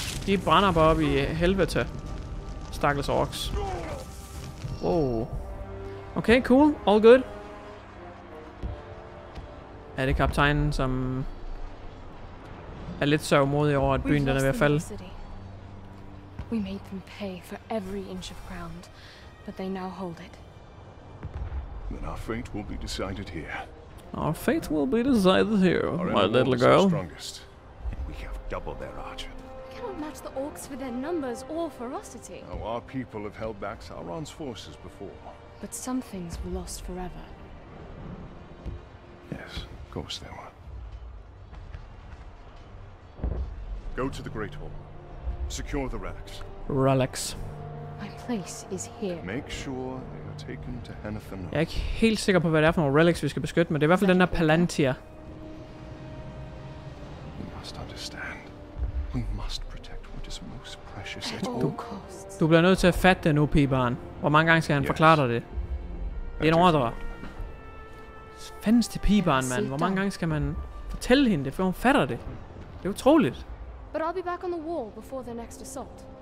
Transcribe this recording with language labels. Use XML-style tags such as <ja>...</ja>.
<da>De brænder bare op i helvete. Stakkels orks.</da> <en>Wow. Okay, cool. All good.</en> <da>Er det kaptajnen, som er lidt sørgmodig over, at byen den er ved at falde?</da> <en>We made them pay for every inch of ground, but they now hold it. Then our fate will be decided here. Our fate will be decided here, my little girl. We have double their archer. We cannot match the orcs for their numbers or ferocity. Now our people have held back Sauron's forces before. But some things were lost forever. Yes, of course they were. Go to the Great Hall. Secure the relics. Relics. My place is here. Make sure they are taken to Henethon.</en> <da>Jeg er ikke helt sikker på, hvad det er for nogle relics, vi skal beskytte, men det er i hvert fald den der Palantir.</da> <en>We must understand. We must protect what is most precious at all costs.</en> <da>Du bliver nødt til at fatte det nu, pigebarn. Hvor mange gange skal han forklare dig det? Det er en ordre. Fandens til pigebarn, mand. Hvor mange gange skal man fortælle hende det, før hun fatter det? Det er utroligt.</da> <en>But I'll be back on the wall before the next assault.</en>